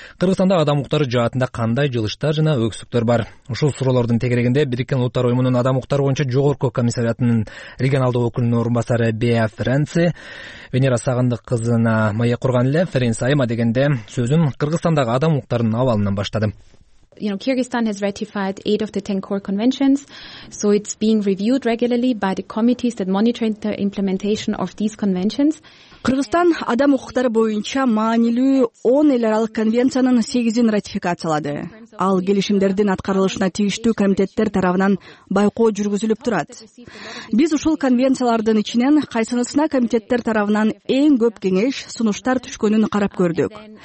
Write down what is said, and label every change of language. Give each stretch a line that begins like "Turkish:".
Kyrgyz: Кыргызстанда адам укуктары жаатында кандай жылыштар жана өксүктөр бар? Ушул суроолордун тегерегинде Бириккен Улуттар Уюмунун адам укуктары боюнча Жогорку комиссариатынын регионалдык өкүлүнүн орун басары Беа Френци Венера Сагындык кызына маек курган эле Френци айыма дегенде сөзүн Кыргызстандагы адам укуктарынын абалынан баштады.
English: You know, Kyrgyzstan has ratified 8 of the 10 core conventions, so it's being reviewed regularly by the committees that monitor the implementation of these conventions.
Kyrgyz: Кыргызстан адам укуктары боюнча маанилүү 10 эл аралык конвенциянын 8-ин ратификациялады. Ал келишимдердин аткарылышына тийиштүү комитеттер тарабынан байкоо жүргүзүлүп турат. Биз ушул конвенциялардын ичинен кайсынысына комитеттер тарабынан эң көп кеңеш, сунуштар түшкөнүн карап көрдүк.